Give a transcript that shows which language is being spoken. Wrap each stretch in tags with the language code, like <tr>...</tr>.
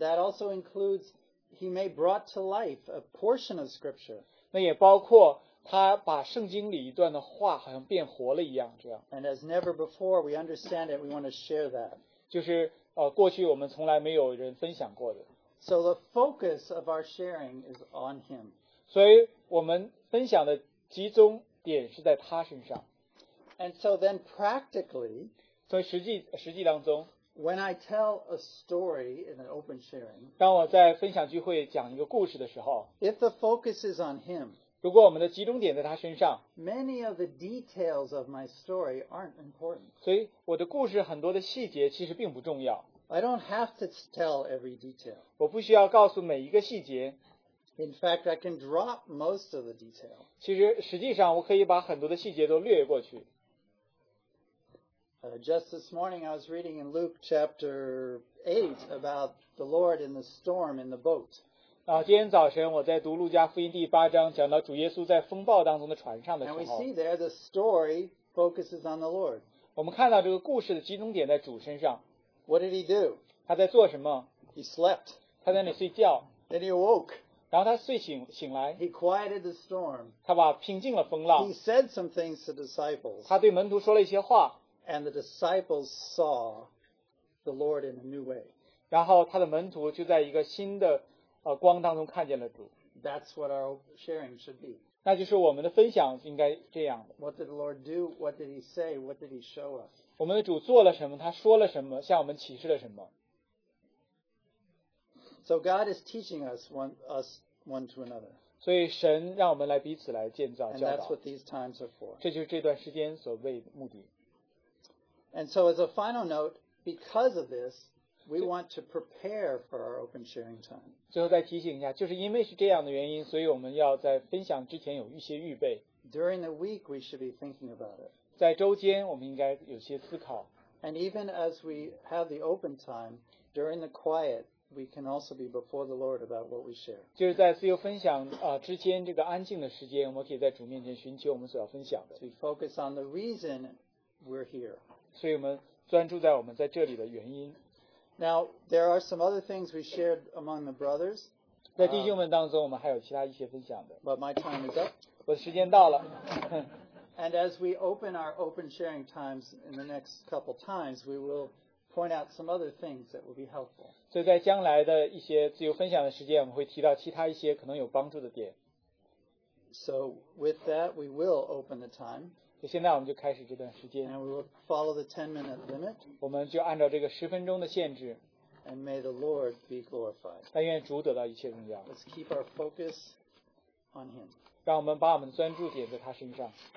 <en>that also includes He may brought to life a portion of Scripture.</en> <zh>那也包括他把圣经里一段的话好像变活了一样，这样。</zh> <en>And as never before, we understand it. We want to share that.</en> <zh>就是 过去我们从来没有人分享过的。</zh> <en>So the focus of our sharing is on Him.</en> <zh>所以我们分享的集中点是在他身上。</zh> <en>And so then practically,</en> <zh>所以实际当中,</zh> <en>when I tell a story in an open sharing,</en> <zh>当我在分享聚会讲一个故事的时候,</zh> <en>if the focus is on Him,</en> <zh>如果我们的集中点在他身上,</zh> <en>many of the details of my story aren't important.</en> <zh>所以我的故事很多的细节其实并不重要。</zh> <en>I don't have to tell every detail.</en> <zh>我不需要告诉每一个细节。</zh> <en>In fact, I can drop most of the detail.</en> <zh>其实实际上我可以把很多的细节都略过去。</zh> <en>Just this morning, I was reading in Luke chapter 8 about the Lord in the storm in the boat.</en> <zh>今天早晨我在读路加福音第8章，讲到主耶稣在风暴当中的船上的时候。</zh> <en>And we see there the story focuses on the Lord. What did he do?</en> <zh>他在做什么?</zh> <en>He slept.</en> <zh>他在那里睡觉,</zh> <en>then he awoke.</en> <zh>然后他睡醒醒来,</zh> <en>he quieted the storm.</en> <zh>他平静了风浪,</zh> <en>he said some things to disciples.</en> <zh>他对门徒说了一些话,</zh> <en>and the disciples saw the Lord in a new way.</en> <zh>然后他的门徒就在一个新的, 光当中看见了主,</zh> <en>that's what our sharing should be.</en> <zh>那就是我们的分享应该这样的,</zh> <en>what did the Lord do? What did he say? What did he show us?</en> <zh>我们的主做了什么, 他说了什么, 向我们启示了什么?</zh> <en>So God is teaching us one to another.</en> <zh>所以神让我们来彼此来建造,</zh> <en>and that's what these times are for.</en> <zh>这就是这段时间所谓的目的。</zh> <en>And so as a final note, because of this, we want to prepare for our open sharing time.</en> <zh>最后再提醒一下, 就是因为是这样的原因, 所以我们要在分享之前有一些预备。</zh> <en>During the week, we should be thinking about it.</en> <zh>在周间我们应该有些思考。</zh> <en>And even as we have the open time, during the quiet, we can also be before the Lord about what we share.</en> <zh>就是在自由分享, 之间这个安静的时间, 我们可以在主面前寻求我们所要分享的。</zh> <en>We focus on the reason we're here.</en> <zh>所以我们专注在我们在这里的原因。</zh> <en>Now, there are some other things we shared among the brothers.</en> <zh>在弟兄们当中我们还有其他一些分享的。</zh> <en>But my time is up.</en> <zh>我的时间到了。</zh> <en>And as we open our open sharing times in the next couple times, we will point out some other things that will be helpful.</en> <zh>所以在将来的一些自由分享的时间, 我们会提到其他一些可能有帮助的点。</zh> <en>So with that, we will open the time.</en> <zh>所以现在我们就开始这段时间。</zh> <en>And we will follow the 10-minute limit.</en> <zh>我们就按照这个10分钟的限制。</zh> <en>And may the Lord be glorified.</en> <zh>但愿主得到一切荣耀。</zh> <en>Let's keep our focus on Him.</en> <zh>让我们把我们的专注点在他身上。</zh>